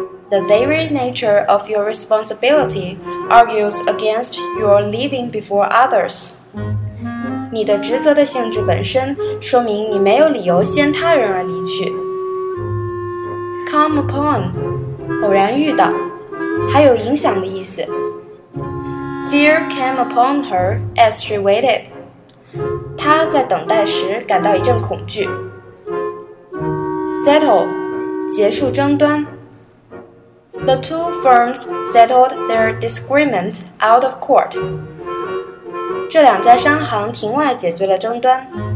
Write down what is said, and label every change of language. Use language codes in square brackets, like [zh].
[en] The very nature of your responsibility argues against your leaving before others. [zh] 你的职责的性质本身说明你没有理由先他人而离去。 Come upon, 偶然遇到，还有影响的意思。 [en] Fear came upon her as she waited. [zh] 她在等待时感到一阵恐惧。 Settle, 结束争端。 [en] The two firms settled their disagreement out of court. [zh] 这两家商行庭外解决了争端。